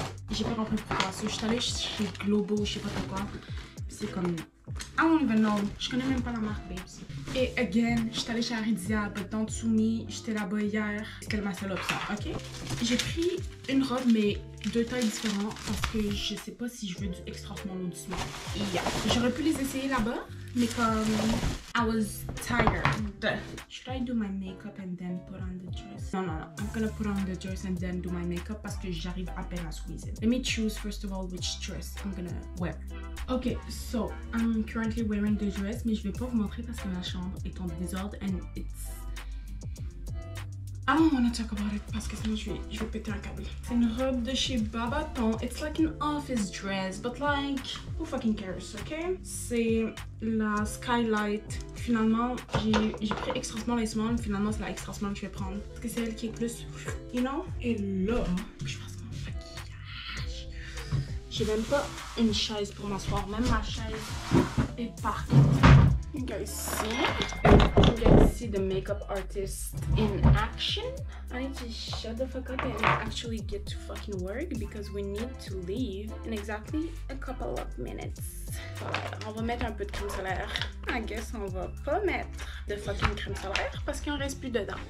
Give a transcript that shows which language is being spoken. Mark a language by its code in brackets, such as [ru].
[fr] J'ai pas compris pourquoi, so j'étais allée chez Globo, je sais pas pourquoi. C'est comme, [en] I don't even know, [fr] je connais même pas la marque, babes. Et again, j'étais allée chez Aridia, [en] but don't sue me, [fr] j'étais là-bas hier. C'est quelle ma seule option, ok? J'ai pris une robe, mais deux tailles différentes, parce que je sais pas si je veux du extra small ou du small. Yeah. J'aurais pu les essayer là-bas, mais comme, [en] I was tired. Should I do my makeup and then put on the dress? No. I'm gonna put on the dress and then do my makeup [fr] parce que j'arrive à peine à squeeze it. [en] Let me choose first of all which dress I'm gonna wear. Okay, so I'm currently wearing the dress, [fr] mais je vais pas vous montrer parce que ma chambre est en désordre [en] and it's... I don't wanna talk about it [fr] parce que sinon je vais péter un câble. C'est une robe de chez Babaton. [en] It's like an office dress, but like, who fucking cares, okay? [fr] C'est la Skylight. Finalement, j'ai pris extra small et small. Finalement, c'est la extra small que je vais prendre. Parce que c'est elle qui est plus, [en] you know? [fr] Et là, je passe mon maquillage. J'ai même pas une chaise pour m'asseoir. Même ma chaise est par contre. [en] You guys see? You guys see the makeup artist in action? I need to shut the fuck up and actually get to fucking work because we need to leave in exactly a couple of minutes. [fr] Voilà, on va mettre un peu de crème solaire. [en] I guess [fr] on va pas mettre de fucking crème solaire parce qu'il en reste plus dedans.